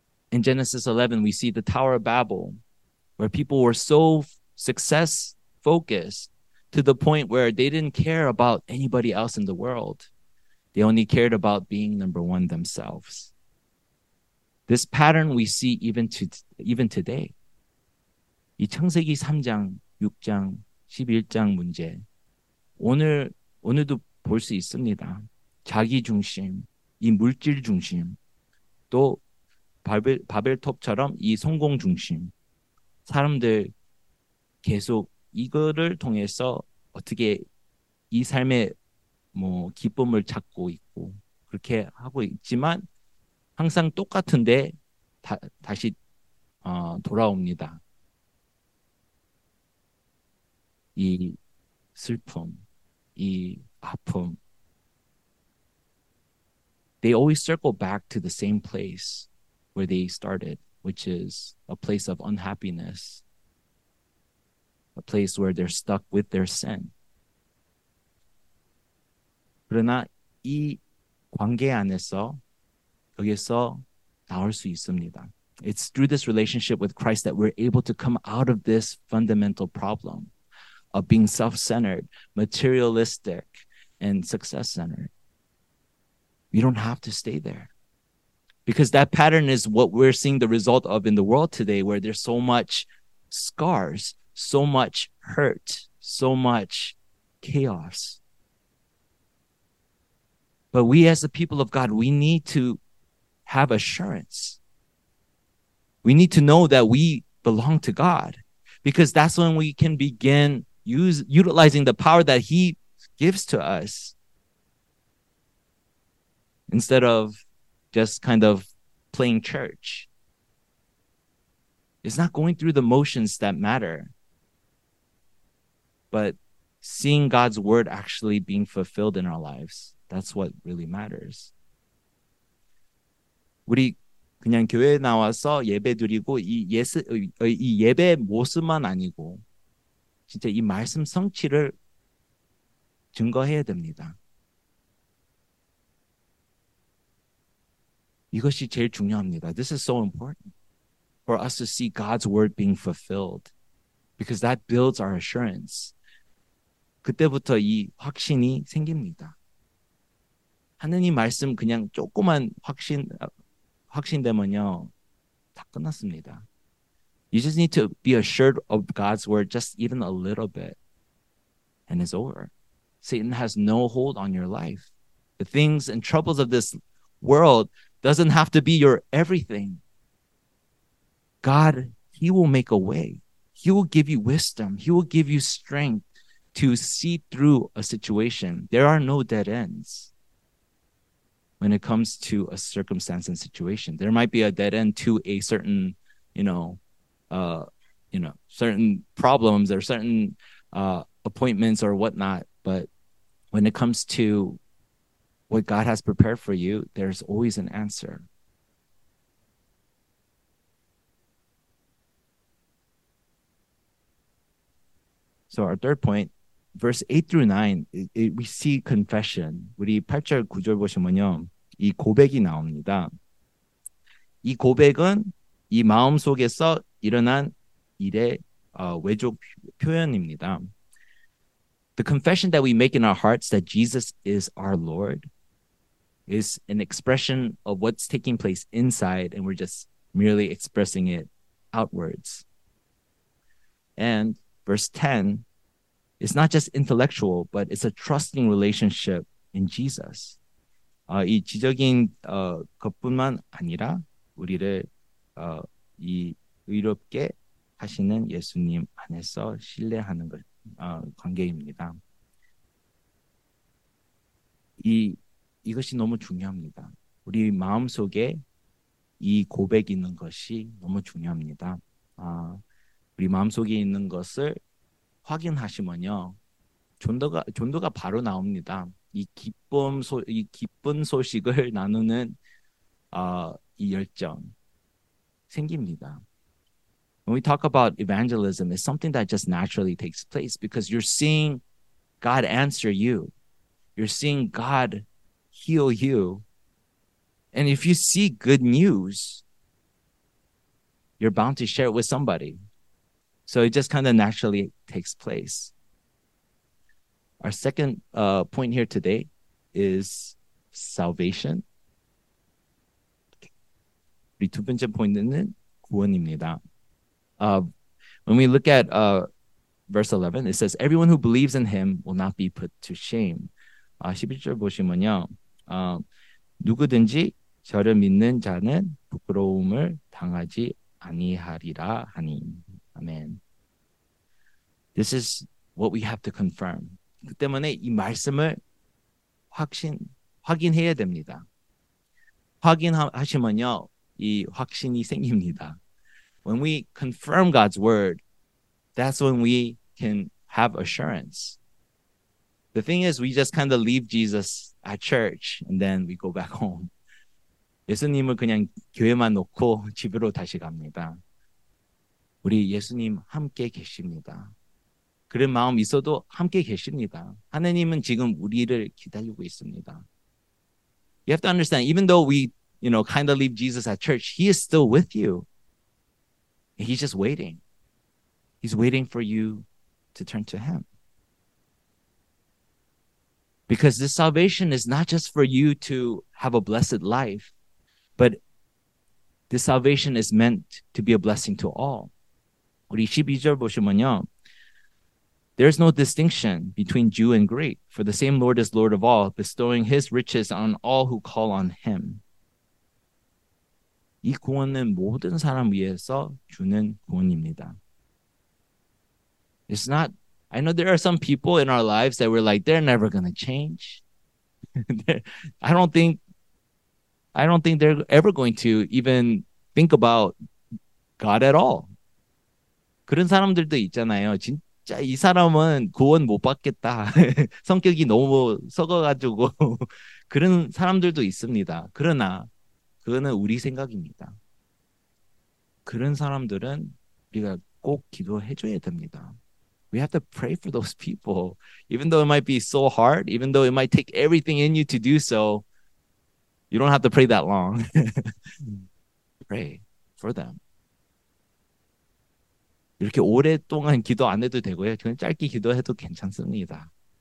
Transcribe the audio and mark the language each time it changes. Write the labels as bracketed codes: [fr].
[en] In Genesis 11, we see the Tower of Babel, where people were so success-focused to the point where they didn't care about anybody else in the world. They only cared about being number one themselves. This pattern we see even today. [ko] 이 창세기 3장, 6장, 11장 문제 오늘도 볼 수 있습니다. 자기 중심, 이 물질 중심, 또 바벨톱처럼 이 성공 중심, 사람들 계속 이거를 통해서 어떻게 이 삶의 뭐 기쁨을 찾고 있고 그렇게 하고 있지만 항상 똑같은데 다시 돌아옵니다. 이 슬픔, 이 아픔. [en] They always circle back to the same place where they started, which is a place of unhappiness, a place where they're stuck with their sin. [ko] 그러나 이 관계 안에서 여기서 나올 수 있습니다. [en] It's through this relationship with Christ that we're able to come out of this fundamental problem of being self-centered, materialistic, and success-centered. We don't have to stay there. Because that pattern is what we're seeing the result of in the world today, where there's so much scars, so much hurt, so much chaos. But we as the people of God, we need to have assurance. We need to know that we belong to God, because that's when we can begin utilizing the power that he gives to us instead of just kind of playing church. It's not going through the motions that matter, but seeing God's word actually being fulfilled in our lives, that's what really matters. [ko] 우리 그냥 교회 나와서 예배 드리고 이 예배 모습만 아니고 진짜 이 말씀 성취를 증거해야 됩니다. 이것이 제일 중요합니다. [en] This is so important for us to see God's word being fulfilled because that builds our assurance. [ko] 그때부터 이 확신이 생깁니다. 하느님 말씀 그냥 조그만 확신되면요. 다 끝났습니다. [en] You just need to be assured of God's word just even a little bit, and it's over. Satan has no hold on your life. The things and troubles of this world doesn't have to be your everything. God, he will make a way. He will give you wisdom. He will give you strength to see through a situation. There are no dead ends when it comes to a circumstance and situation. There might be a dead end to a certain, certain problems or certain appointments or whatnot. But when it comes to what God has prepared for you, there's always an answer. So our third point, verse 8 through 9, we see confession. [ko] 우리 8절 9절 보시면요, 이 고백이 나옵니다. 이 고백은 이 마음 속에서 일어난 일의 외적 표현입니다. [en] The confession that we make in our hearts that Jesus is our Lord is an expression of what's taking place inside, and we're just merely expressing it outwards. And verse 10, it's not just intellectual, but it's a trusting relationship in Jesus. [ko] 이 지적인 것뿐만 아니라 우리를 이 의롭게 하시는 예수님 안에서 신뢰하는 것, 관계입니다. 이것이 너무 중요합니다. 우리 마음 속에 이 고백이 있는 것이 너무 중요합니다. 우리 마음 속에 있는 것을 확인하시면요, 존도가 바로 나옵니다. 이 기쁜 소식을 나누는 이 열정 생깁니다. [en] When we talk about evangelism, it's something that just naturally takes place because you're seeing God answer you. You're seeing God heal you. And if you see good news, you're bound to share it with somebody. So it just kind of naturally takes place. Our second point here today is salvation. [ko] 우리 두 번째 포인트는 구원입니다. [en] When we look at verse 11, it says, everyone who believes in him will not be put to shame. [ko] 11절 보시면요, 누구든지 저를 믿는 자는 부끄러움을 당하지 아니하리라 하니. [en] Amen. This is what we have to confirm. [ko] 그 때문에 이 말씀을 확인해야 됩니다. 확인하시면요, 이 확신이 생깁니다. [en] When we confirm God's word, that's when we can have assurance. The thing is, we just kind of leave Jesus at church and then we go back home. [ko] 예수님을 그냥 교회만 놓고 집으로 다시 갑니다. 우리 예수님 함께 계십니다. 그런 마음 있어도 함께 계십니다. 하느님은 지금 우리를 기다리고 있습니다. [en] You have to understand, even though we, you know, kind of leave Jesus at church, he is still with you. He's just waiting. He's waiting for you to turn to him. Because this salvation is not just for you to have a blessed life, but this salvation is meant to be a blessing to all. [ko] 우리 12절 보시면요, [en] there's no distinction between Jew and Greek, for the same Lord is Lord of all, bestowing his riches on all who call on him. [ko] 이 구원은 모든 사람 위해서 주는 구원입니다. [en] It's not, I know there are some people in our lives that we're like, they're never going to change. I don't think they're ever going to even think about God at all. [ko] 그런 사람들도 있잖아요. 진짜 이 사람은 구원 못 받겠다. 성격이 너무 썩어가지고 그런 사람들도 있습니다. 그러나 그거는 우리 생각입니다. 그런 사람들은 우리가 꼭 기도해줘야 됩니다. [en] We have to pray for those people. Even though it might be so hard, even though it might take everything in you to do so, you don't have to pray that long. Pray for them. [ko] 이렇게 오랫동안 기도 안 해도 되고요. 그냥 짧게 기도해도 괜찮습니다.